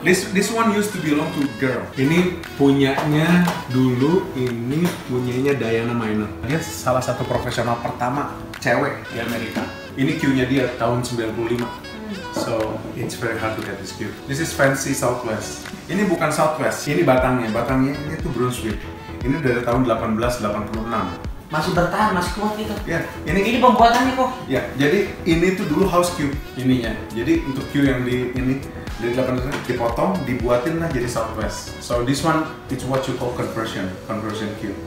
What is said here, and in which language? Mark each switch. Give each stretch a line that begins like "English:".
English: This one used to belong to girl.
Indonesian: Ini punyanya dulu, ini punyanya Diana Miner. Dia salah satu profesional pertama cewek di Amerika. Ini Q-nya dia tahun 95.
English: So, it's very hard to get this Q. This is fancy Southwest.
Indonesian: Ini bukan Southwest, ini batangnya. Batangnya ini tuh Brunswick. Ini dari tahun 1886. Masih bertahan, masih kuat gitu. Iya, yeah. Ini pembuatannya kok. Iya, yeah. Jadi ini tuh dulu house Q ininya. Jadi untuk Q yang di ini dari 18 dipotong, dibuatin lah jadi Southwest.
English: So this one, it's what you call conversion Q.